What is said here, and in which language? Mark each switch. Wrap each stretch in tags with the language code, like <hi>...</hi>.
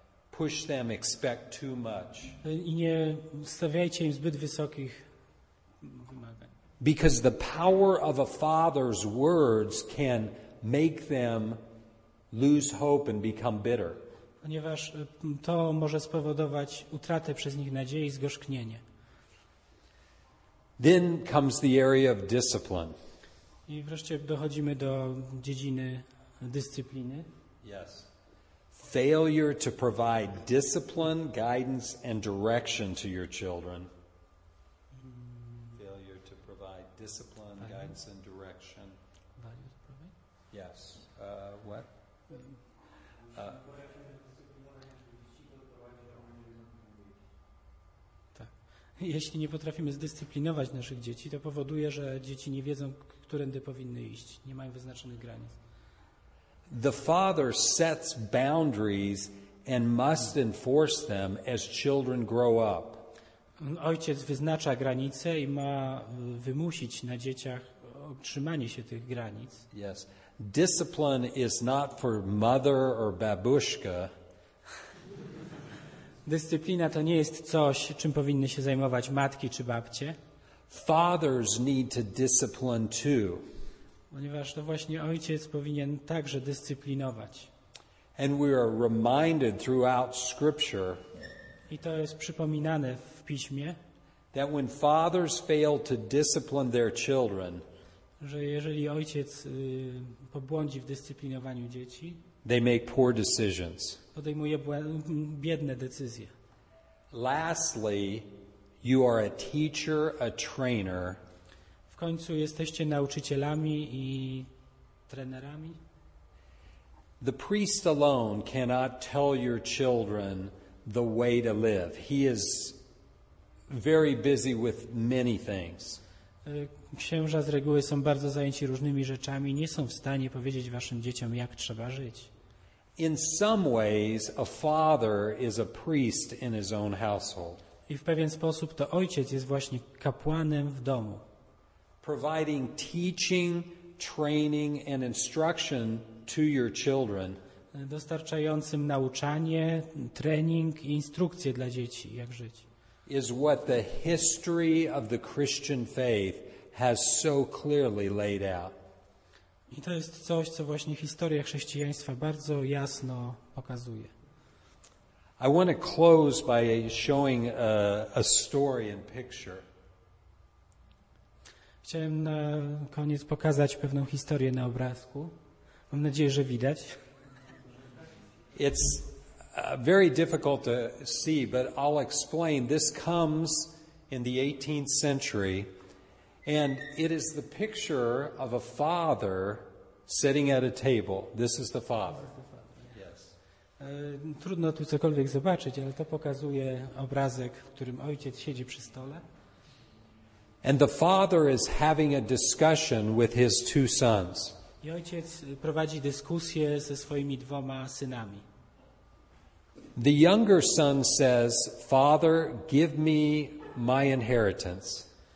<en>Push them, expect too much.</en> <pl>I nie stawiajcie im zbyt wysokich wymagań.</pl> <en>Because the power of a father's words can make them lose hope and become bitter.</en> <pl>Ponieważ to może spowodować utratę przez nich nadziei i zgorzknienie.</pl> <en>Then comes the area of discipline.</en> <pl>I wreszcie dochodzimy do dziedziny dyscypliny.</pl> <en>Yes. Failure to provide discipline, guidance, and direction to your children. Failure to provide discipline, guidance, and direction. Yes. What?</en> <pl>Tak. Jeśli nie potrafimy zdyscyplinować naszych dzieci, to powoduje, że dzieci nie wiedzą, którędy powinny iść, nie mają wyznaczonych granic.</pl> <en>The father sets boundaries and must enforce them as children grow up.</en> <pl>Ojciec wyznacza granice i ma wymusić na dzieciach trzymanie się tych granic.</pl> <en>Yes. Discipline is not for mother or babushka.</en> <pl>Dyscyplina to nie jest coś, czym powinny się zajmować matki czy babcie.</pl> <en>Fathers need to discipline too.</en> <pl>Ponieważ to właśnie ojciec powinien także dyscyplinować.</pl> <en>And we are reminded throughout scripture.</en> <pl>I to jest przypominane w piśmie.</pl> <en>That when fathers fail to discipline their children,</en> <pl>że jeżeli ojciec pobłądzi w dyscyplinowaniu dzieci,</pl> <en>they make poor decisions.</en> <pl>Podejmuje biedne decyzje.</pl> <en>Lastly, you are a teacher, a trainer.</en> <pl>W końcu jesteście nauczycielami i trenerami.</pl> <en>The priest alone cannot tell your children the way to live. He is very busy with many things.</en> <pl>Księża z reguły są bardzo zajęci różnymi rzeczami, nie są w stanie powiedzieć waszym dzieciom, jak trzeba żyć.</pl> <en>In some ways a father is a priest in his own household.</en> <pl>I w pewien sposób to ojciec jest właśnie kapłanem w domu.</pl> <en>Providing teaching, training and instruction to your children.</en> <pl>Dostarczającym nauczanie, trening i instrukcje dla dzieci, jak żyć.</pl> <en>Is what the history of the Christian faith has so clearly laid out.</en> <pl>I to jest coś, co właśnie historia chrześcijaństwa bardzo jasno pokazuje.</pl> <en>I want to close by showing a story and picture.</en> <pl>Chciałem na koniec pokazać pewną historię na obrazku. Mam nadzieję, że widać.</pl> <en>It's very difficult to see, but I'll explain. This comes in the 18th century, and it is the picture of a father sitting at a table. This is the father. Yes.</en> <pl>Trudno tu cokolwiek zobaczyć, ale to pokazuje obrazek, w którym ojciec siedzi przy stole.</pl> <en>And the father is having a discussion with his two sons.</en> <pl>I ojciec prowadzi dyskusję ze swoimi dwoma synami.</pl> <en>The younger son says, "Father, give me my inheritance."</en>